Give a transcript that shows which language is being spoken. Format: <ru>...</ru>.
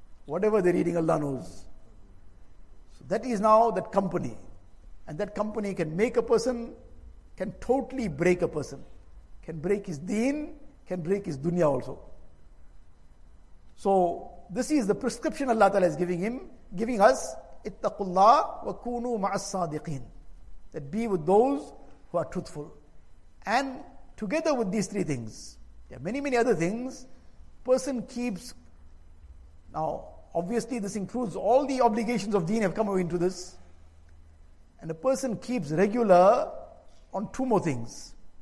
<en>Whatever they're reading, Allah knows. So that is now that company. And that company can make a person, can totally break a person. Can break his deen, can break his dunya also. So this is the prescription Allah Ta'ala is giving us.</en> <ar>اتقوا الله وكونوا مع الصادقين.</ar> <en>That be with those who are truthful. And together with these three things, there are many, many other things. Person keeps, now obviously this includes all the obligations of deen have come into this. And a person keeps regular on two more things.</en>